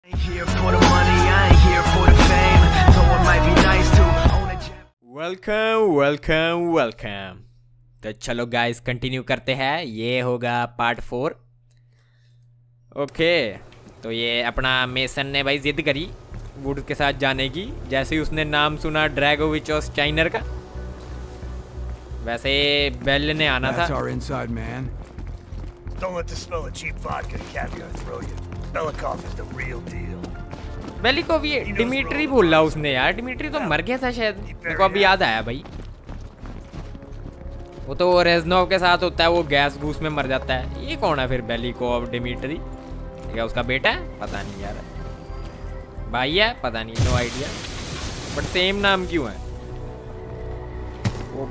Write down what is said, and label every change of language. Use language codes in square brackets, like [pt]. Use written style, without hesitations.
[en] for the money, I ain't here for the fame. Though it might be nice to own a gem. Welcome. [hi] तो चलो guys continue करते हैं, ये होगा part 4। Okay, तो ये अपना मेसन ने भाई जिद करी वुड के साथ जाने की, जैसे ही उसने नाम सुना ड्रैगोविच और स्टाइनर का। वैसे बेल ने आना था। [en] That's our inside man. Don't let the smell of cheap vodka caviar throw you. Belikov is the real deal. [hi] Belikov ये डिमिट्री बोला उसने यार, डिमिट्री तो मर गया था शायद, मेरे को अभी याद आया भाई। वो तो रेजनोव के साथ होता है, वो गैस घूस में मर जाता है। ये कौन है फिर बेलिकोव? डिमिट्री क्या उसका बेटा है? पता नहीं यार, भाई है पता नहीं, [en] no idea, but same [hi] नाम क्यों है वो?